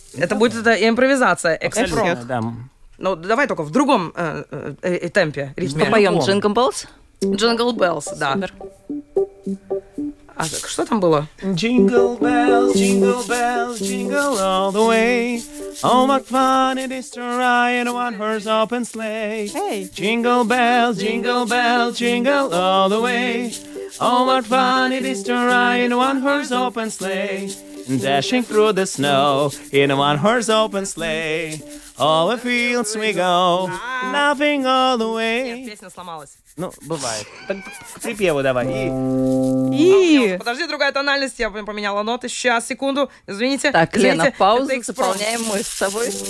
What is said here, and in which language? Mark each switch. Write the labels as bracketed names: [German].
[Russian] Это будет импровизация, экспром. Ну, давай только в другом темпе. Что поем? «Джингл Беллс»? «Джингл Беллс», да. Супер. А так, что там было? [English] «Джингл Беллс, джингл беллс, джингл all the way. Oh, what fun it is to ride in a one-horse open sleigh. Hey. Джингл Беллс, джингл беллс, джингл all the way. Oh, what fun it is to ride in a one-horse open sleigh. Dashing through the snow in a one-horse open sleigh. All the fields we go, laughing all the way. [Russian] Нет, песня сломалась. Ну, бывает. Так, припеву давай. Подожди, другая тональность, я поменяла ноты. Сейчас, секунду, извините. Так, Лена, паузу, заполняем мы с тобой.